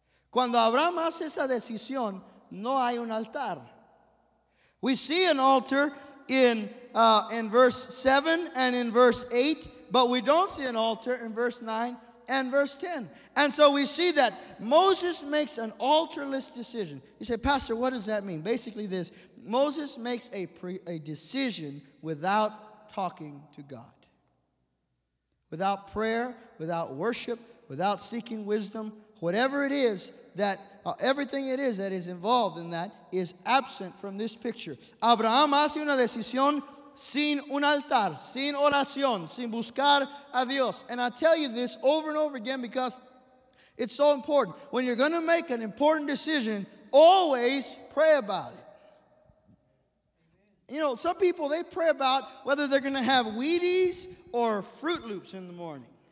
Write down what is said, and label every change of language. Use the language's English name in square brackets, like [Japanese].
[Spanish] Cuando Abraham hace esa decisión, no hay un altar. [English] We see an altar in verse 7 and in verse 8, but we don't see an altar in verse 9. And verse 10. And so we see that Moses makes an altarless decision. You say, Pastor, what does that mean? Basically this, Moses makes a decision without talking to God. Without prayer, without worship, without seeking wisdom, whatever it is that, everything it is that is involved in that is absent from this picture. [Spanish] Abraham hace una decisión sin un altar, sin oración, sin buscar a Dios. [English] And I tell you this over and over again because it's so important. When you're going to make an important decision, always pray about it. You know, some people, they pray about whether they're going to have Wheaties or Fruit Loops in the morning.